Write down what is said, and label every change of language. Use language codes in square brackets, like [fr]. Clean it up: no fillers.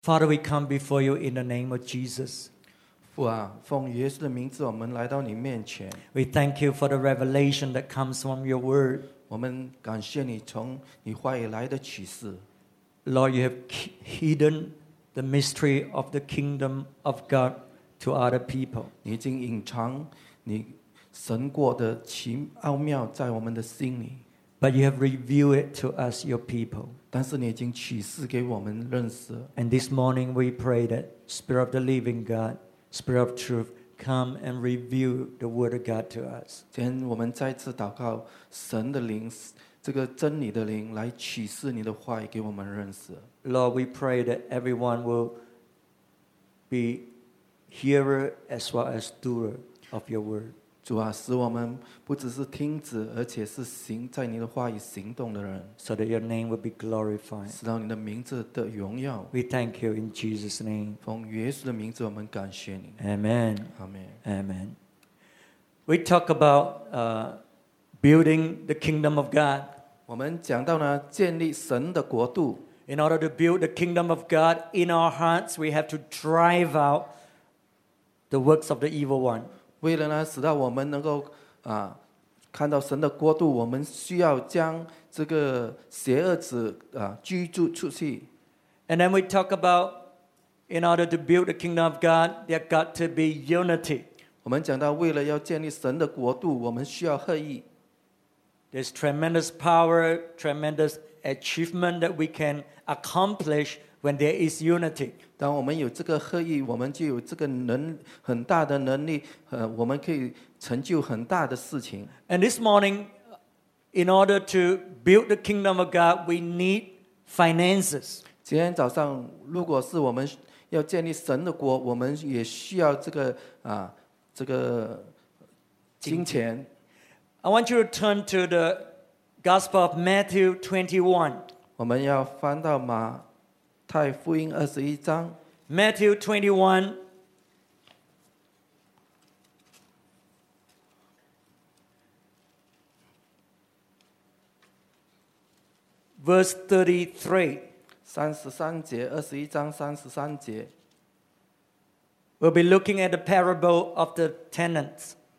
[en] Father, we come before you in the name of Jesus. [zh] 父啊，奉耶稣的名字，我们来到你面前。 [en] We thank you for the revelation that comes from your word. [zh] 我们感谢你从你话语来的启示。 [en] Lord, you have hidden the mystery of the kingdom of God to other people. [zh] 你已经隐藏你神国的奇奥妙在我们的心里。 [en] But you have revealed it to us, your people. [zh] 但是你已经启示给我们认识。 [en] And this morning we pray that Spirit of the Living God, Spirit of Truth, come and reveal the Word of God to us. [zh] 今天我们再次祷告神的灵，这个真理的灵来启示你的话语给我们认识。 [en] Lord, we pray that everyone will be hearer as well as doer of your Word. [zh] 主啊，使我们不只是听旨，而且是行在你的话语行动的人。 [en] So that your name will be glorified. [zh] 使到你的名字的荣耀。 [en] We thank you in Jesus' name. [zh] 奉耶稣的名字，我们感谢你。 [en] Amen. Amen. Amen. We talk about building the kingdom of God. [zh] 我们讲到呢，建立神的国度。 [en] In order to build the kingdom of God in our hearts, we have to drive out the works of the evil one. [zh] 为了呢使到我们能够、看到神的国度，我们需要将这个邪恶子、居住出去。 [en] And then we talk about in order to build the kingdom of God, there got to be unity. [zh] 我们讲到为了要建立神的国度，我们需要合一。 [en] There's tremendous power, tremendous achievement that we can accomplish when there is unity. [zh] 当我们有这个合一，我们就有这个能很大的能力，我们可以成就很大的事情。 [en] And this morning, in order to build the kingdom of God, we need finances. [zh] 今天早上，如果是我们要建立神的国，我们也需要这个啊，这个金钱。 [en] I want you to turn to the Gospel of Matthew 21. [zh] 我们要翻到马。太福音二十一章 [en] Matthew 21:33 We'll be looking at the parable of the tenants.